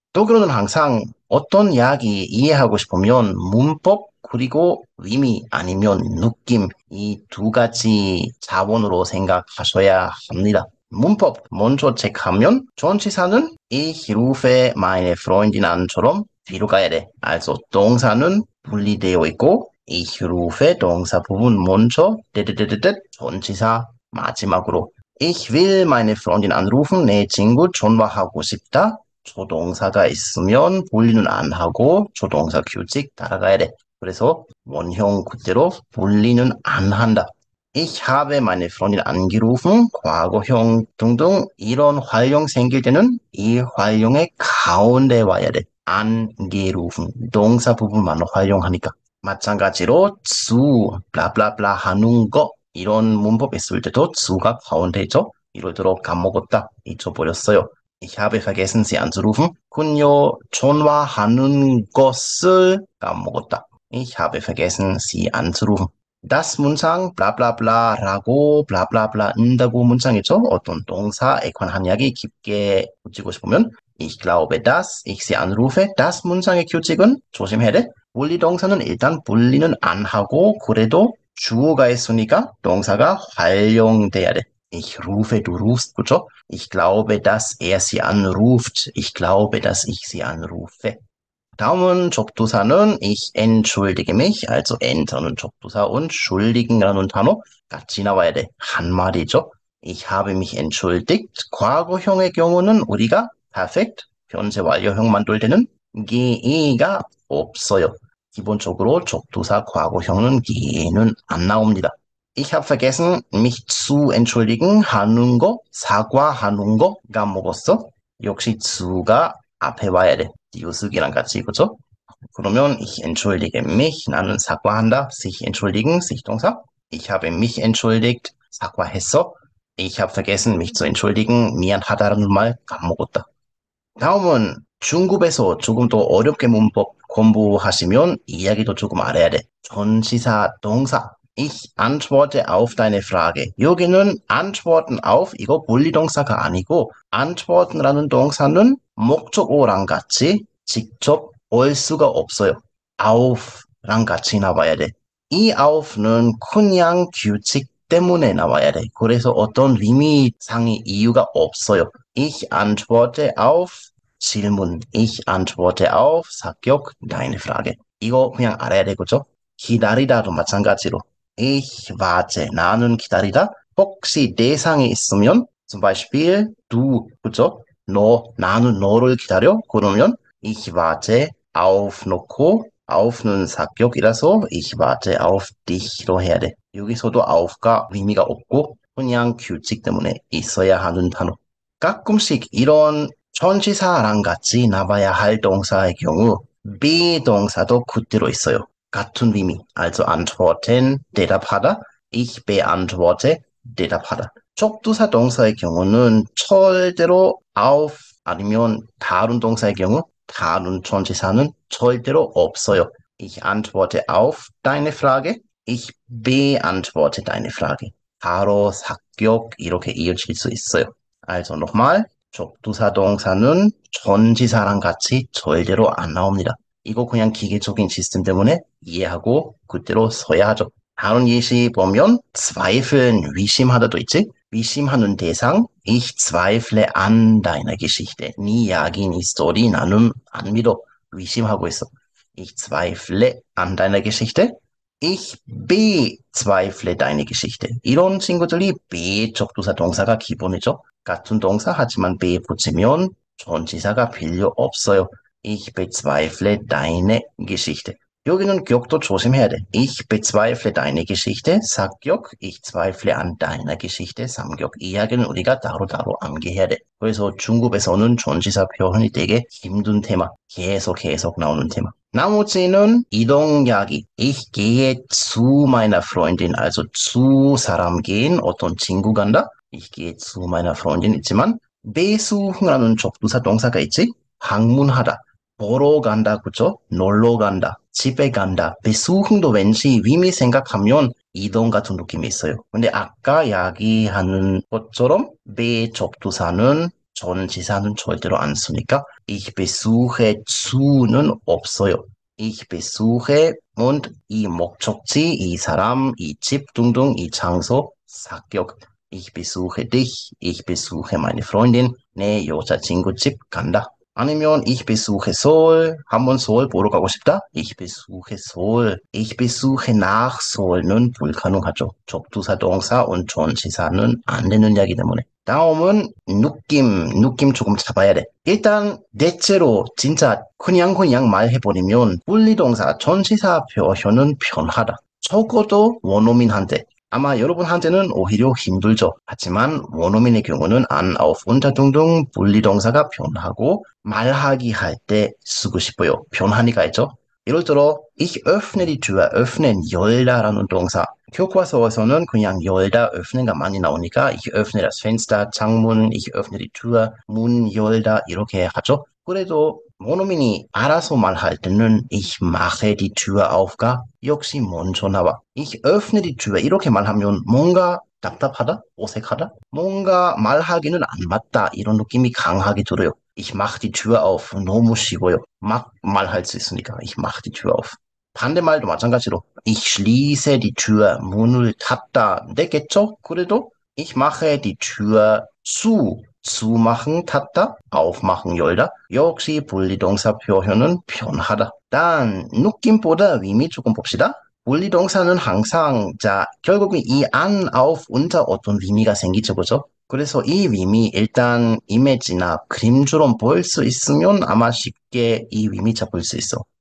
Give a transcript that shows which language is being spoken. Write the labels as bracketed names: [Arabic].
[Korean] 독일어는 항상 어떤 이야기 이해하고 싶으면 문법, 그리고 의미, 아니면 느낌, 이두 가지 자원으로 생각하셔야 합니다. 문법 먼저 체크하면, 전치사는 [German] Ich rufe meine Freundin an [Korean] 처럼 뒤로 가야 돼. 알죠? 동사는 분리되어 있고, [German] Ich rufe [Korean] 동사 부분 먼저, 전치사 마지막으로. [German] Ich will meine Freundin anrufen, [Korean] 내 친구 전화하고 싶다. 조동사가 있으면 분리는 안 하고 조동사 규칙 따라가야 돼. 그래서 원형 그대로 분리는 안 한다. [German] Ich habe meine Freundin angerufen, [Korean] 과거형 등등 이런 활용 생길 때는 이 활용의 가운데 와야 돼. Angerufen, 동사 부분만 활용하니까. 마찬가지로 zu, 블라블라블라 하는 거 이런 문법 있을 때도 zu가 가운데 있죠? 예를 들어 까먹었다 잊어버렸어요. [German] Ich habe vergessen, Sie anzurufen. [Korean] 그녀 전화하는 것을 까먹었다. [German] Ich habe vergessen, Sie anzurufen. [Korean] Das 문장 블라블라블라라고 블라블라블라 한다고 문장 있죠? 어떤 동사에 관한 이야기 깊게 붙이고 싶으면 [German] Ich glaube, dass ich Sie anrufe. [Korean] Das 문장의 규칙은 조심해야 돼. 분리동사는 일단 분리는 안 하고 그래도 주어가 있으니까 동사가 활용돼야 돼. [German] Ich rufe, du rufst, [Korean] 그죠? [German] Ich glaube, dass er sie anruft. Ich glaube, dass ich sie anrufe. [Korean] 다음은 접두사는 [German] Ich entschuldige mich, also entern [Korean] 접두사 und schuldigen라는 단어 같이 나와야 돼. 한 말이죠. [German] Ich habe mich entschuldigt. [Korean] 과거형의 경우는 우리가 perfect, 현재 완료형 만들 때는 ge가 없어요. 기본적으로 접두사 과거형은 기에는 안 나옵니다. [German] Ich habe vergessen, mich zu entschuldigen [Korean] 하는 거, 사과하는 거 까먹었어. 역시 zu가 앞에 와야 돼. 이웃이랑 같이, 그죠? 그러면 [German] ich entschuldige mich, [Korean] 나는 사과한다. [German] Sich entschuldigen, sich 동사. Ich habe mich entschuldigt, [Korean] 사과했어. [German] Ich habe vergessen, mich zu entschuldigen, [Korean] 미안하다는 말 까먹었다. 다음은 중급에서 조금 더 어렵게 문법 공부하시면 이야기도 조금 알아야 돼. 전치사, 동사. [German] Ich antworte auf deine Frage. [Korean] 여기는 antworten auf, 이거 분리동사가 아니고, antworten라는 동사는 목적어랑 같이 직접 올 수가 없어요. auf랑 같이 나와야 돼. 이 auf는 그냥 규칙 때문에 나와야 돼. 그래서 어떤 의미상의 이유가 없어요. [German] Ich antworte auf [Korean] 질문, [German] ich antworte auf, 사격, deine Frage. [Korean] 이거 그냥 알아야 되겠죠? 기다리다도 마찬가지로. [German] Ich warte, [Korean] 나는 기다리다. 혹시 대상이 있으면, [German] zum Beispiel, du, [Korean] 그죠? 너, 나는 너를 기다려? [German] 그러면, ich warte auf [Korean] 놓고, [German] auf는 사격이라서, ich warte auf dich로 해야 돼. [Korean] 여기서도 auf가 의미가 없고, 그냥 규칙 때문에 있어야 하는 단어. 가끔씩 이런 전치사랑 같이 나와야 할 동사의 경우 be 동사도 그대로 있어요. 같은 의미. [German] Also antworten, [Korean] 대답하다. [German] Ich beantworte, 대답하다. [Korean] 접두사 동사의 경우는 절대로 auf 아니면 다른 동사의 경우 다른 전치사는 절대로 없어요. [German] Ich antworte auf deine Frage. Ich beantworte deine Frage. [Korean] 바로 사격 이렇게 이어질 수 있어요. [German] Also �ochmal. [Korean] 접두사 동사는 전치사랑 같이 절대로 안 나옵니다. 이거 그냥 기계적인 시스템 때문에 이해하고 그대로 써야 하죠. 다른 예시 보면, Zweifeln, 의심하다도 있지? 의심하는 대상, [German] Ich zweifle an deiner Geschichte. [Korean] 네 이야기, 네 스토리, 나는 안 믿어. 의심하고 있어. [German] Ich zweifle an deiner Geschichte. Ich bezweifle deine Geschichte. [Korean] 이런 친구들이 be적 동사가 기본이죠. 같은 동사, 하지만 be 붙이면 전치사가 필요 없어요. [German] Ich bezweifle deine Geschichte. [Korean] 여기는 기억도 조심해야 돼. [German] Ich bezweifle deine Geschichte, [Korean] 사격. [German] Ich zweifle an deiner Geschichte, [Korean] 삼격. 이야기는 우리가 따로따로 암기해야 돼. 그래서 중국에서는 전치사 표현이 되게 힘든 테마. 계속 나오는 테마. 나머지는 이동 이야기. [German] Ich gehe zu meiner Freundin, also zu 사람 gehen, [Korean] 어떤 친구 간다. [German] Ich gehe zu meiner Freundin, [Korean] 있지만, [German] besuchen라는 접두사 동사가 있지? [Korean] 방문하다. 보러 간다, 그쵸? 놀러 간다, 집에 간다, besuchen도 왠지 이미 생각하면 이동 같은 느낌이 있어요. 근데 아까 이야기하는 것처럼 be 접두사는 전치사는 절대로 안 쓰니까 [German] ich besuche zu [Korean] 는 없어요. [German] ich besuche und [Korean] 이 목적지, 이 사람, 이집 등등, 이 장소, 사격. [German] ich besuche dich, ich besuche meine Freundin, [Korean] 내 여자친구 집 간다. [German] 아니면, ich besuche Seoul. [Korean] 한번 서울 보러 가고 싶다? [German] Ich besuche Seoul. Ich besuche nach Seoul [Korean] 는 불가능하죠. 접두사 동사 und 전치사는 안 되는 이야기 때문에. 다음은 느낌 조금 잡아야 돼. 일단, 대체로, 진짜, 그냥 말해버리면, 분리동사, 전치사 표현은 편하다. 적어도 원어민한테. 아마 여러분한테는 오히려 힘들죠. 하지만 원어민의 경우는 an, auf, unter 등등 분리동사가 변하고 말하기 할때 쓰고 싶어요. 변하니까 있죠. [German] 예를 들어 Ich öffne die Tür, öffnen, 열다라는 동사. [Korean] 교과서에서는 그냥 열다, öffnen가 많이 나오니까 [German] Ich öffne das Fenster, [Korean] 창문, [German] Ich öffne die Tür, [Korean] 문 열다 이렇게 하죠. 그래도 원어민이 알아서 말할 때는 [German] Ich mache die Tür auf [Korean] 가 역시 먼저 나와. [German] Ich öffne die Tür [Korean] 이렇게 말하면 뭔가 답답하다? 어색하다? 뭔가 말하기는 안 맞다 이런 느낌이 강하게 들어요. [German] Ich mache die Tür auf [Korean] 너무 쉬워요. 막 말할 수 있으니까 [German] Ich mache die Tür auf. [Korean] 반대말도 마찬가지로 [German] Ich schließe die Tür [Korean] 문을 닫다 되겠죠? [German] 그래도 Ich mache die Tür zu. [Korean] 수machen, 닫다, aufmachen, 열다. 역시 분리동사 표현은 편하다. 단, 느낌보다 의미 조금 봅시다. 분리동사는 항상, 자, 결국은 이 an, auf, unter 어떤 의미가 생기죠, 그죠? 그래서 이 의미, 일단, 이미지나 그림처럼 보일 수 있으면 아마 쉽게 이 의미 잡을 수 있어.